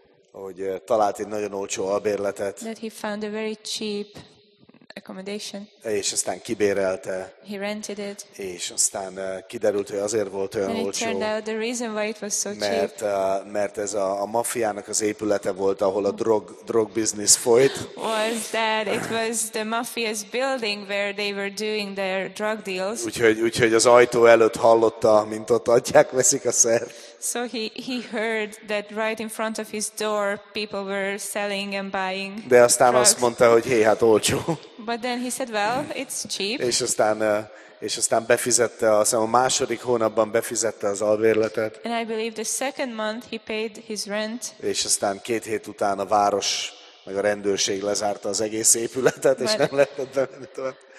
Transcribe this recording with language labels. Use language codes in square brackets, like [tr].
[hu] Hogy talált egy nagyon olcsó albérletet. [en] That he found a very cheap accommodation. [hu] És aztán kibérelte. [en] He rented it. [hu] És aztán kiderült, hogy azért volt olyan [en] and [hu] olcsó. [en] It turned out the reason why it was so cheap. [hu] Mert ez a maffiának az épülete volt, ahol a [en] drug business [hu] folyt. [en] Was that it was the mafia's building where they were doing their drug deals. [hu] Úgyhogy az ajtó előtt hallotta, mint ott adják, veszik a szert. [en] So he heard that right in front of his door people were selling and buying. [hu] De aztán azt mondta, hogy hé, hát olcsó. [en] But then he said, well, it's cheap. [hu] És aztán befizette, aztán a második hónapban befizette az albérletet. [en] And I believe the second month he paid his rent. [hu] És aztán két hét után a város meg a rendőrség lezárta az egész épületet, és nem lehetett bemenni tovább.